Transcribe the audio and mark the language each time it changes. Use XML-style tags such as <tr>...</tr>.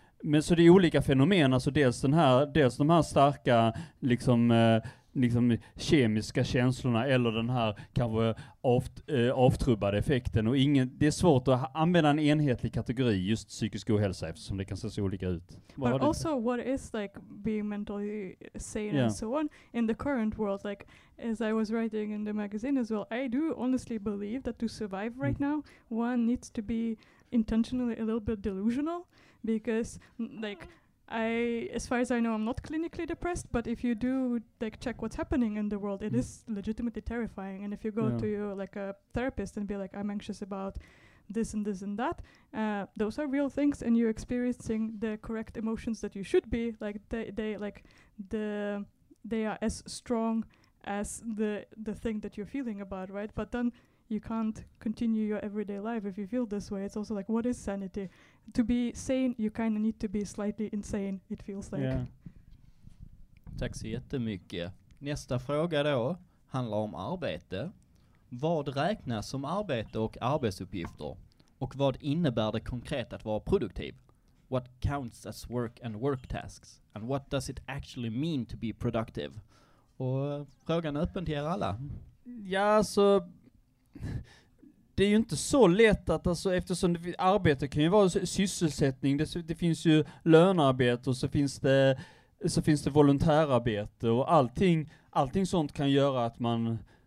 <sv>Men så det är olika fenomen, alltså dels de här starka liksom kemiska känslorna, eller den här kanske avtrubbade effekten, och det är svårt att använda en enhetlig kategori just psykisk ohälsa eftersom det kan se så olika ut.</sv> <en>But also what is like being mentally sane and so on in the current world, like as I was writing in the magazine as well, I do honestly believe that to survive right now one needs to be intentionally a little bit delusional, because like I, as far as I know, I'm not clinically depressed, but if you do like check what's happening in the world, it is legitimately terrifying. And if you go to your, like a therapist and be like, I'm anxious about this and this and that, those are real things, and you're experiencing the correct emotions that you should be, like they are as strong as the thing that you're feeling about, right? But then you can't continue your everyday life if you feel this way. It's also like, what is sanity? To be sane, you kind of need to be slightly insane, it feels like. Yeah.</en> <sv>Tack så jättemycket. Nästa fråga då handlar om arbete. Vad räknas som arbete och arbetsuppgifter? Och vad innebär det konkret att vara produktiv?</sv> <en>What counts as work and work tasks? And what does it actually mean to be productive?</en> <sv>Och frågan är öppen till er alla. Ja, så det är ju inte så lätt att, alltså, eftersom arbete kan ju vara sysselsättning, det finns ju lönearbete och så finns det volontärarbete, och allting sånt kan göra att man</sv>